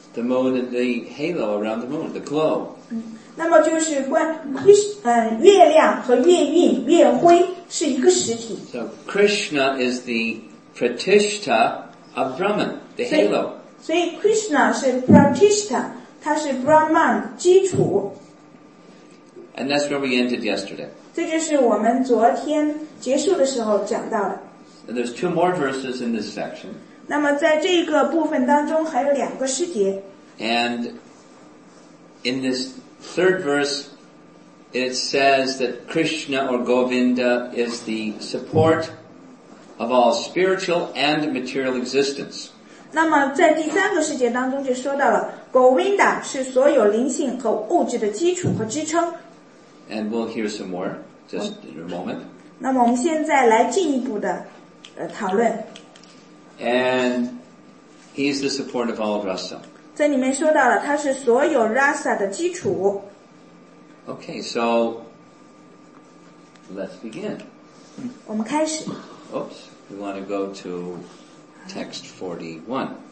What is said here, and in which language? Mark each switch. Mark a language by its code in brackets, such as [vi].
[en] The moon and the halo around the moon, the glow. [zh] 那么就是月亮和月晕、月辉是一个实体。 [en] So Krishna is the pratishta of Brahman, the halo. [zh] 所以 Krishna 是 pratishta, 他是 Brahman 基础。 [en] And that's where we ended yesterday. [zh] 这就是我们昨天结束的时候讲到的。 [en] And there's two more verses in this section. [zh] 那么在这个部分当中还有两个诗节。 [en] And in this third verse, it says that Krishna or Govinda is the support of all spiritual and material existence. [zh] 那么在第三个世界当中就说到了, Govinda是所有灵性和物质的基础和支撑。 [en] And we'll hear some more, just in a moment. [zh] 那么我们现在来进一步的讨论。 [en] And he is the support of all rasa. [zh] 这里面说到了它是所有rasa的基础。 [en] Okay, so let's begin. [zh] 我们开始。 [en] Oops, we want to go to text 41.